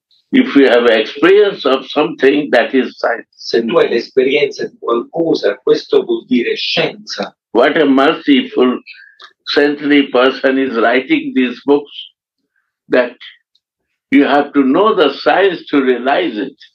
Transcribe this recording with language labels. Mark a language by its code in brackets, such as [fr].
[en] If you have experience of something, that is science. [it] Se tu hai l'esperienza di qualcosa, questo vuol dire scienza. [en] What a merciful, saintly person is writing these books that you have to know the science to realize it.